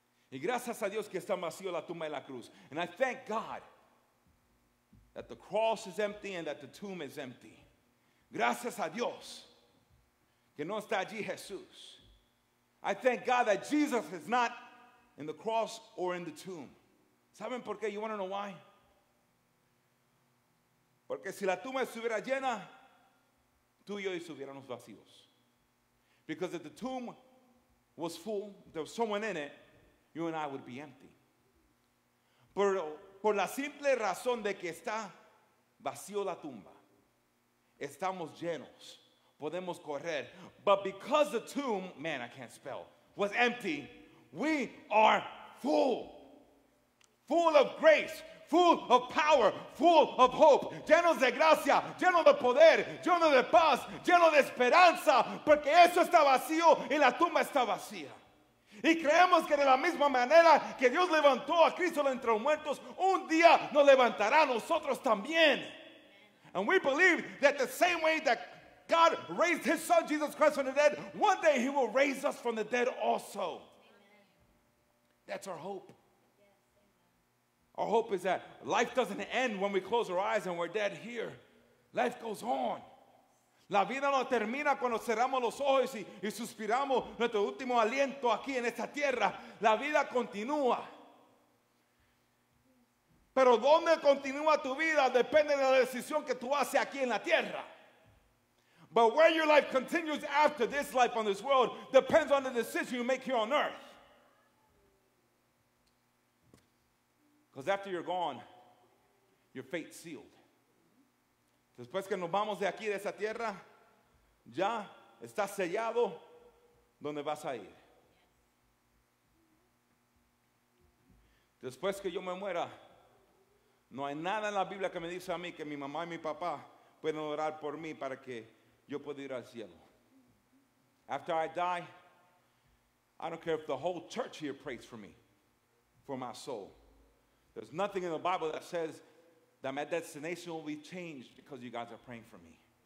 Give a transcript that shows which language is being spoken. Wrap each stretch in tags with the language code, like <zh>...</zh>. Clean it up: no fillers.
<es>Y gracias a Dios que está vacío la tumba y la cruz.</es> <en>And I thank God that the cross is empty and that the tomb is empty.</en> <es>Gracias a Dios que no está allí Jesús.</es> <en>I thank God that Jesus is not in the cross or in the tomb.</en> <es>¿Saben por qué?</es> <en>You want to know why?</en> <es>Porque si la tumba estuviera llena, tú y yo estuviéramos vacíos.</es> <en>Because if the tomb was full, there was someone in it, you and I would be empty.</en> <es>Pero por la simple razón de que está vacío la tumba, estamos llenos. Podemos correr.</es> <en>But because the tomb, man, I can't spell, was empty, we are full. Full of grace. Full of power. Full of hope.</en> <es>Llenos de gracia. Lleno de poder. Lleno de paz. Lleno de esperanza. Porque eso está vacío y la tumba está vacía. Y creemos que de la misma manera que Dios levantó a Cristo entre los muertos, un día nos levantará a nosotros también.</es> <en>And we believe that the same way that God raised his son Jesus Christ from the dead, one day he will raise us from the dead also. That's our hope. Our hope is that life doesn't end when we close our eyes and we're dead here. Life goes on.</en> <es>La vida no termina cuando cerramos los ojos y suspiramos nuestro último aliento aquí en esta tierra. La vida continúa. Pero dónde continúa tu vida depende de la decisión que tú haces aquí en la tierra.</es> <en>But where your life continues after this life on this world depends on the decision you make here on earth. Because after you're gone, your fate's sealed.</en> <es>Después que nos vamos de aquí, de esa tierra, ya está sellado donde vas a ir. Después que yo me muera, no hay nada en la Biblia que me dice a mí que mi mamá y mi papá pueden orar por mí para que yo pueda ir al cielo.</es> <en>After I die, I don't care if the whole church here prays for me, for my soul. There's nothing in the Bible that says that my destination will be changed because you guys are praying for me.</en>